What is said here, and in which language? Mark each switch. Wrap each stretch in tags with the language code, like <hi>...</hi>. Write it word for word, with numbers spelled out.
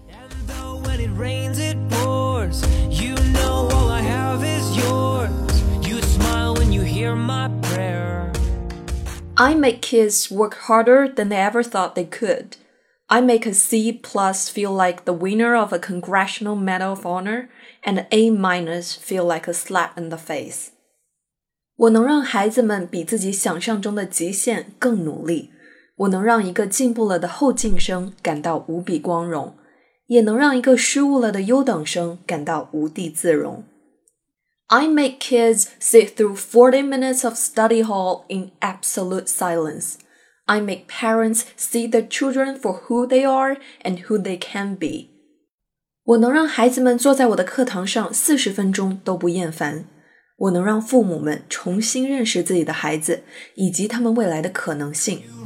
<en>And though when it rains it pours, you know all I have is yours, you smile when you hear my prayer. I make kids work harder than they ever thought they could. I make a C plus feel like the winner of a Congressional Medal of Honor and an A minus feel like a slap in the face.</en> <zh>我能让孩子们比自己想象中的极限更努力。我能让一个进步了的后进生感到无比光荣，也能让一个失误了的优等生感到无地自容。</zh> <en>I make kids sit through forty minutes of study hall in absolute silence. I make parents see their children for who they are and who they can be.</en> <zh>我能让孩子们坐在我的课堂上四十分钟都不厌烦。我能让父母们重新认识自己的孩子，以及他们未来的可能性。</zh>